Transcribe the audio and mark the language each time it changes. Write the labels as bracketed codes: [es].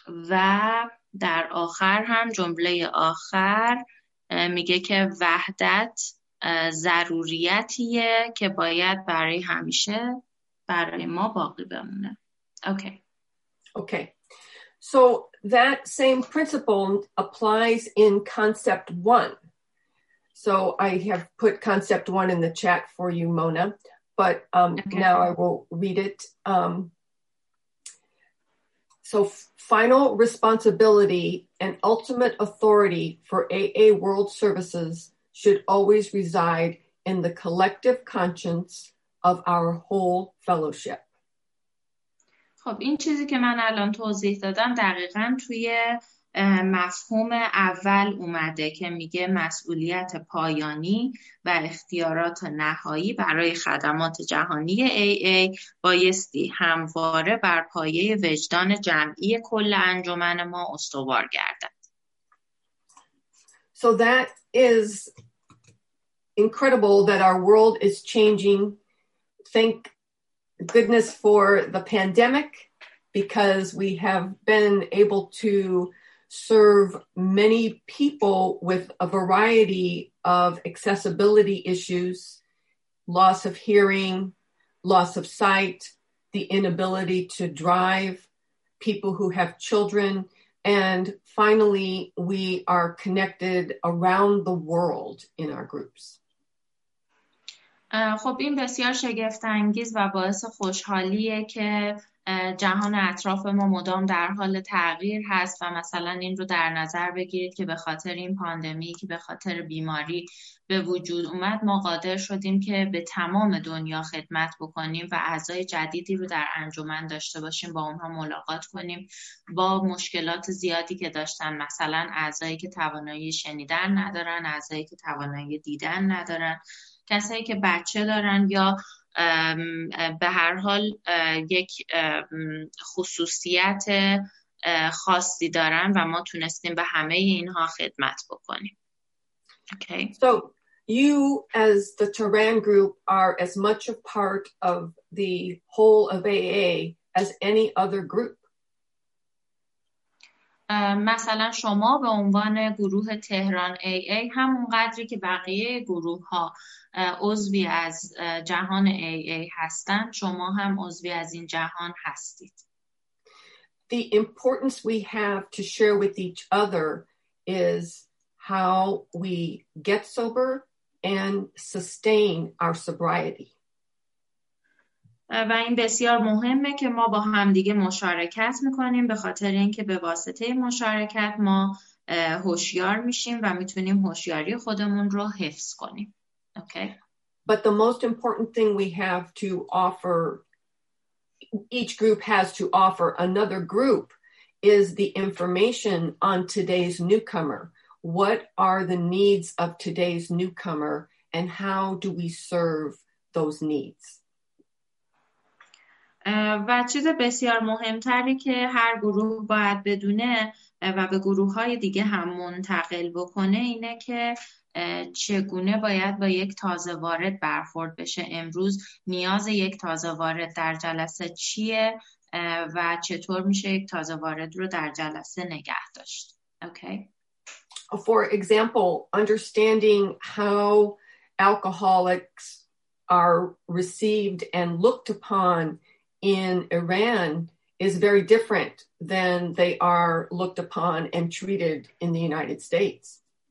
[fa] و در آخر هم جمله آخر میگه که وحدت ضروریتیه که باید برای همیشه برای ما باقی بمونه. [en] Okay. Okay. So that same principle applies in concept one. So I have put concept one in the chat for you, Mona, but okay. Now I will read it. So final responsibility and ultimate authority for AA World Services should always reside in the collective conscience of our whole fellowship. [fa] خب این چیزی که من الان توضیح دادم دقیقاً توی مفهوم اول اومده که میگه مسئولیت پایانی و اختیارات نهایی برای خدمات جهانی AA بایستی همواره بر پایه وجدان جمعی کل انجمن ما استوار گردد. [en] So that is incredible that our world is changing. Thank goodness for the pandemic because we have been able to serve many people with a variety of accessibility issues, loss of hearing, loss of sight, the inability to drive, people who have children, and finally, we are connected around the world in our groups. [fa] خب این بسیار شگفت انگیز و باعث خوشحالیه که جهان اطراف ما مدام در حال تغییر هست و مثلا این رو در نظر بگیرید که به خاطر این پاندمی که به خاطر بیماری به وجود اومد ما قادر شدیم که به تمام دنیا خدمت بکنیم و اعضای جدیدی رو در انجمن داشته باشیم، با اونها ملاقات کنیم، با مشکلات زیادی که داشتن، مثلا اعضایی که توانایی شنیدن ندارن، اعضایی که توانایی دیدن ندارن، کسایی که بچه دارن یا به هر حال یک خصوصیت خاصی دارن و ما تونستیم به همه اینها خدمت بکنیم. [en] Okay. So you as the Turan group are as much a part of the whole of AA as any other group. [fa] مثلا شما به عنوان گروه تهران AA همونقدری که بقیه گروه ها عضوی از جهان AA هستند شما هم عضوی از این جهان هستید. [en] The importance we have to share with each other is how we get sober and sustain our sobriety. [fa] و این بسیار مهمه که ما با همدیگه مشارکت میکنیم به خاطر اینکه به واسطه مشارکت ما هوشیار میشیم و میتونیم هوشیاری خودمون رو حفظ کنیم. [en] Okay. But the most important thing we have to offer, each group has to offer another group, is the information on today's newcomer. What are the needs of today's newcomer and how do we serve those needs? [fa] و چیز بسیار مهمتری که هر گروه باید بدونه و به گروه‌های دیگه هم منتقل بکنه اینه که چگونه باید با یک تازه وارد برخورد بشه، امروز نیاز یک تازه وارد در جلسه چیه و چطور میشه یک تازه وارد رو در جلسه نگه داشت. [en] Okay. For example, understanding how alcoholics are received and looked upon in Iran is very different than they are looked upon and treated in the United States.